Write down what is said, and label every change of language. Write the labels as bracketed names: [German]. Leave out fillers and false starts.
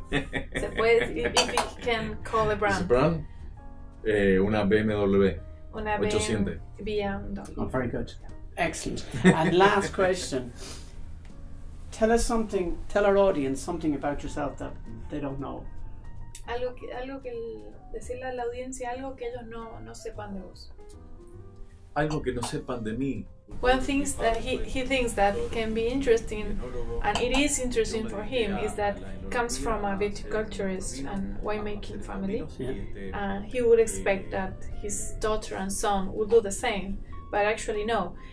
[Spanish] Se puede, [English] if you can call a brand. Is it brand? Una BMW. [Spanish] Una 800. BMW. [English] Oh, very good. Excellent. And last question. Tell us something, tell our audience something about yourself that they don't know. [Spanish] Algo que decirle a la audiencia, algo que ellos no sepan de vos. Algo que no sepan de mí. [English] One thing that he thinks that can be interesting, and it is interesting for him, is that he comes from a viticulturist and winemaking family. Yeah. And he would expect that his daughter and son would do the same, but actually no.